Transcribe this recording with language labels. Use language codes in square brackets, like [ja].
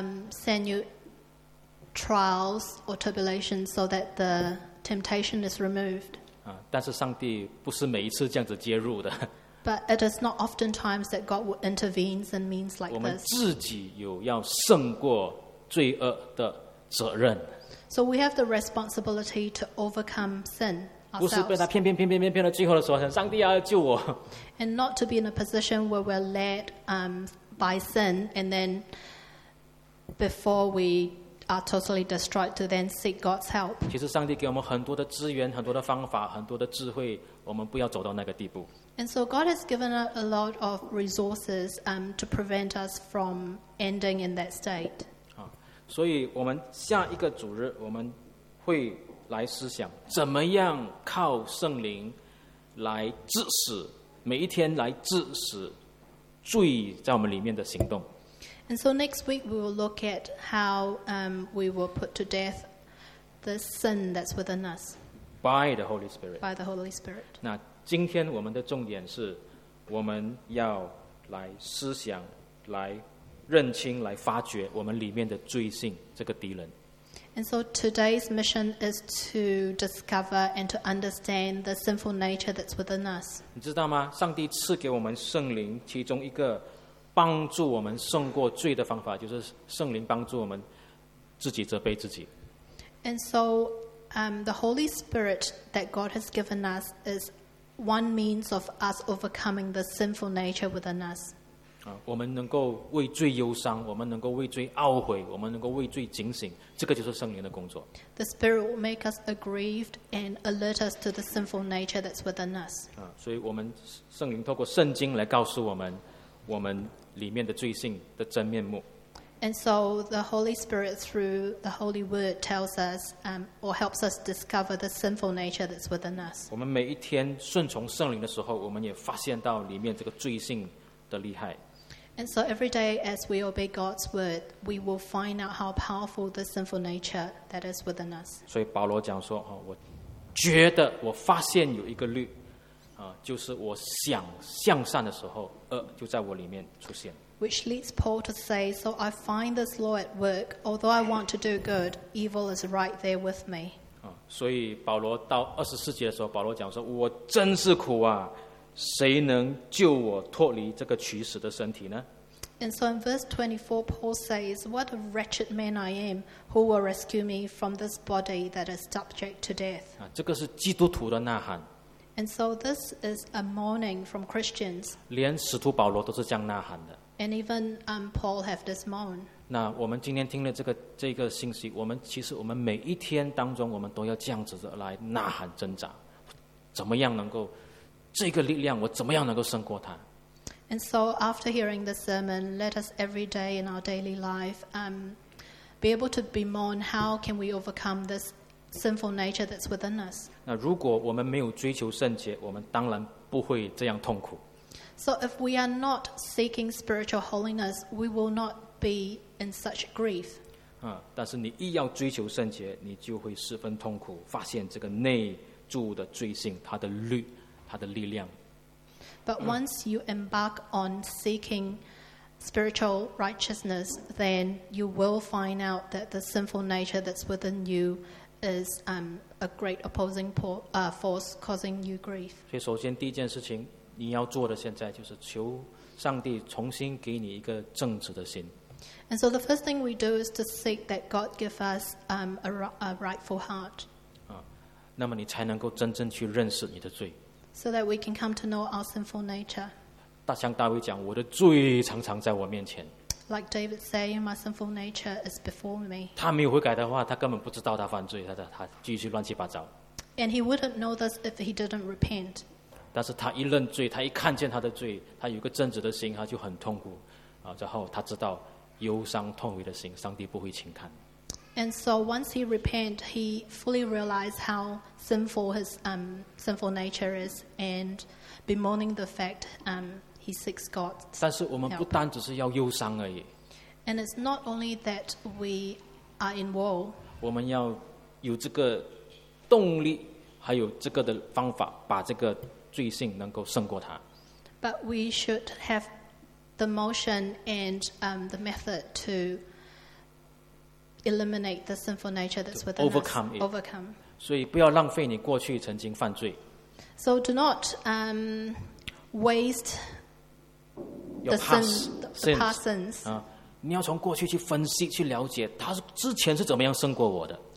[en] send you trials or tribulations so that the temptation is removed. [zh] 但是上帝不是每一次这样子介入的。 [en] But it is not oftentimes that God intervenes and means like this. [zh] 我们自己有要胜过罪恶的责任。 [en] So we have the responsibility to overcome sin ourselves. [zh] 不是被他骗骗骗骗骗骗到最后的时候想上帝啊救我。 [en] And not to be in a position where we're led by sin and then before we are totally destroyed to then seek God's help. [zh] 其实上帝给我们很多的资源很多的方法很多的智慧我们不要走到那个地步。 [en] And so God has given us a lot of resources to prevent us from ending in that state. [zh] 所以我们下一个主日我们会来思想怎么样靠圣灵来致使每一天来致使罪在我们里面的行动。 [en] And so next week we will look at how we will put to death the sin that's within us. By the Holy Spirit. By the Holy Spirit. [zh] 那今天我们的重点是我们要来思想来认清来发掘我们里面的罪性这个敌人。 [en] And so today's mission is to discover and to understand the sinful nature that's within us. [zh] 你知道吗？上帝赐给我们圣灵，其中一个帮助我们胜过罪的方法，就是圣灵帮助我们自己责备自己。 [en] And so, the Holy Spirit that God has given us is one means of us overcoming the sinful nature within us. [zh] 我们能够为罪忧伤，我们能够为罪懊悔，我们能够为罪警醒，这个就是圣灵的工作。 [en] The Spirit will make us aggrieved and alert us to the sinful nature that's within us. [zh] 所以我们圣灵透过圣经来告诉我们我们里面的罪性的真面目。 [en] And so the Holy Spirit through the Holy Word tells us, or helps us discover the sinful nature that's within us. [zh] 我们每一天顺从圣灵的时候，我们也发现到里面这个罪性的厉害。 [en] And so every day as we obey God's word, we will find out how powerful the sinful nature that is within us. [zh] 所以保罗讲说，我觉得我发现有一个律。就是我想向善的时候，恶就在我里面出现。 [en] Which leads Paul to say, "So I find this law at work. Although I want to do good, evil is right there with me." [zh] 所以保罗到二十四节的时候，保罗讲说：“我真是苦啊！谁能救我脱离这个取死的身体呢？” [en] And so in verse 24, Paul says, "What a wretched man I am! Who will rescue me from this body that is subject to death?" [zh] 这个是基督徒的呐喊。 [en] And so this is a mourning from Christians. [zh] 连使徒保罗都是这样呐喊的。 [en] And even Paul have this moan. [zh] 那我们今天听了这个信息，我们其实我们每一天当中，我们都要这样子来呐喊挣扎，怎么样能够这个力量，我怎么样能够胜过它？ [en] And so after hearing the sermon, let us every day in our daily life be able to bemoan how can we overcome this sinful nature that's within us. [zh] 那如果我们没有追求圣洁，我们当然不会这样痛苦。 [en] So if we are not seeking spiritual holiness, we will not be in such grief. [zh] 但是你一要追求圣洁，你就会十分痛苦，发现这个内住的罪性，它的律，它的力量。 [en] But once you embark on seeking spiritual righteousness, then you will find out that the sinful nature that's within you is a great opposing force causing you grief. [zh] 所以首先第一件事情你要做的现在就是求上帝重新给你一个正直的心。 [en] And so the first thing we do is to seek that God give us a rightful heart. [zh] 那么你才能够真正去认识你的罪。 [en] So that we can come to know our sinful nature. [zh] 像大卫讲，我的罪常常在我面前。 [en] Like David saying, my sinful nature is before me. [zh] 他没有悔改的话，他根本不知道他犯罪，他继续乱七八糟。 [en] And he wouldn't know this if he didn't repent. [zh] 但是他一认罪，他一看见他的罪，他有个正直的心，他就很痛苦。然后他知道忧伤痛悔的心，上帝不会轻看。 [en] And so once he repent, he fully realized how sinful his sinful nature is, and bemoaning the fact. He seeks God's help. [zh] 但是我们不单只是要忧伤而已。 [en] And it's not only that we are in woe. [zh] 我们要有这个动力，还有这个的方法，把这个罪性能够胜过它。 [en] But we should have the motion and the method to eliminate the sinful nature that's within overcome us. It. Overcome. [zh] 所以不要浪费你过去曾经犯罪。 [en] So do not waste your the past sins. [zh] 你要从过去去分析，去了解他之前是怎么样胜过我的。